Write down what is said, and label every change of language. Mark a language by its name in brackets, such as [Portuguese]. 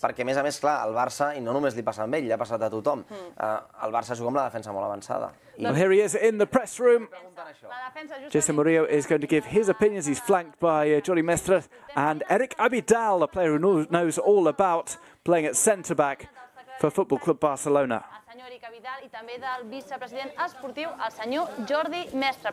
[Catalan] Perquè, a més, clar, el Barça, i no només li passa a ell, li ha passat a tothom, mm. El Barça juga amb la defensa molt avançada. I... [English] Well, here he is in the press room. Jesse Murillo is going to give his opinions. He's flanked by Jordi Mestre and Eric Abidal, a player who knows all about playing at centre-back for Football Club Barcelona. [Catalan] Senyor Eric Abidal i també del vicepresident esportiu, el senyor Jordi Mestre.